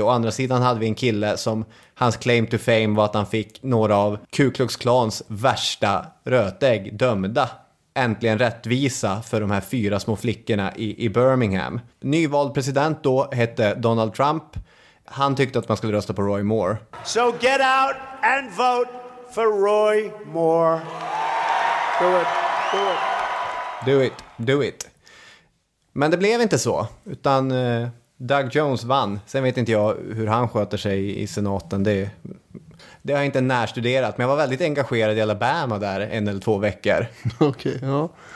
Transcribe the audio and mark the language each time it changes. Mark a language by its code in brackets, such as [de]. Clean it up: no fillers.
[sv] Och andra sidan hade vi en kille som hans [en] claim to fame [sv] var att han fick några av Ku Klux Klans värsta rötägg dömda. Äntligen rättvisa för de här fyra små flickorna i Birmingham. Nyvald president då hette Donald Trump. Han tyckte att man skulle rösta på Roy Moore. [en] So get out and vote for Roy Moore. Do it, do it. Do it, do it. [sv] Men det blev inte så, utan Doug Jones vann. Sen vet inte jag hur han sköter sig i senaten. Det har jag inte närstuderat, men jag var väldigt engagerad i Alabama där en eller två veckor. Okej, okay, ja.